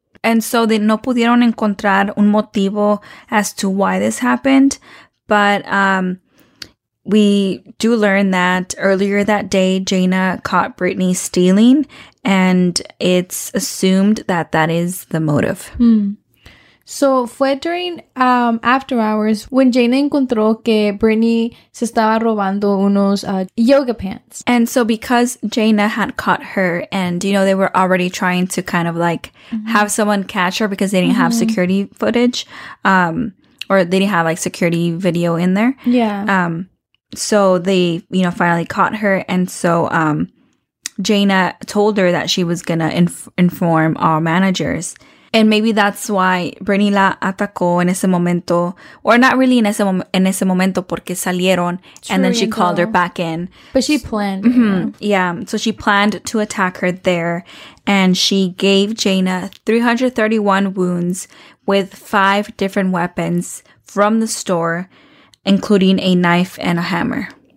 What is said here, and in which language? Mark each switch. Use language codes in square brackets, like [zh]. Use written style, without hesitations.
[en] And so they [es] no pudieron encontrar un motivo [en] as to why this happened. But we do learn that earlier that day, Jaina caught Brittany stealing. And it's assumed that that is the motive. Hmm. So, [es] fue [en] during after hours when Jaina [es] encontró que Brittany se estaba robando unos [en] yoga pants. And so, because Jaina had caught her and, you know, they were already trying to kind of, like, mm-hmm. have someone catch her because they didn't mm-hmm. have security footage. Or they didn't have, like, security video in there. Yeah. So, they, you know, finally caught her. And so, Jaina told her that she was going to inform all managers. And maybe that's why [es] Brittany la atacó en ese momento. [en] Or not really [es] en ese momento porque salieron. [en] True, and then she called her back in. But she planned. Mm-hmm. Yeah. So she planned to attack her there. And she gave Jaina 331 wounds with 5 different weapons from the store, including a knife and a hammer.